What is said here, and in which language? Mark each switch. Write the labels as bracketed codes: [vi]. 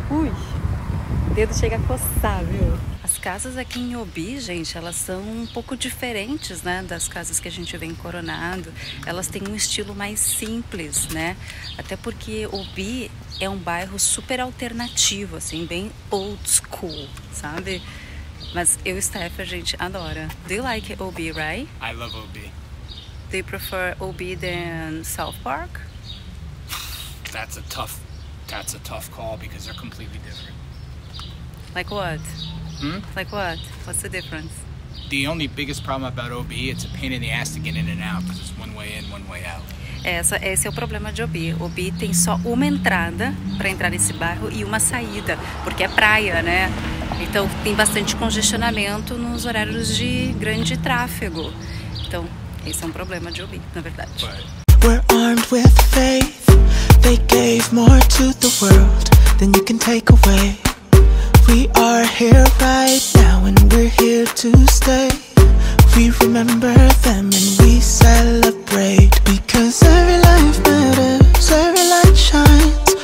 [pt] Ui, o dedo chega a coçar, viu? As casas aqui em Obi, gente, elas são um pouco diferentes, né, das casas que a gente vê em Coronado. Elas têm um estilo mais simples, né? Até porque Obi é um bairro super alternativo, assim, bem old school, sabe? Mas eu e Steph, a gente adora. [en] Do you like OB, right? I love OB. Do you prefer OB than South Park? That's a tough call because they're completely different. Like what? Like what? What's the difference? The only biggest problem about OB, it's a pain in the ass to get in and out because it's one way in, one way out. [pt] Esse é o problema de OB. OB tem só uma entrada para entrar nesse bairro e uma saída, porque é praia, né? Então tem bastante congestionamento nos horários de grande tráfego. Então, esse é um problema de OB, na verdade. [en] We're armed with faith. They gave more to the world than you can take away. We are here right now and we're here to stay. We remember them and we celebrate. Because every life matters, every light shines.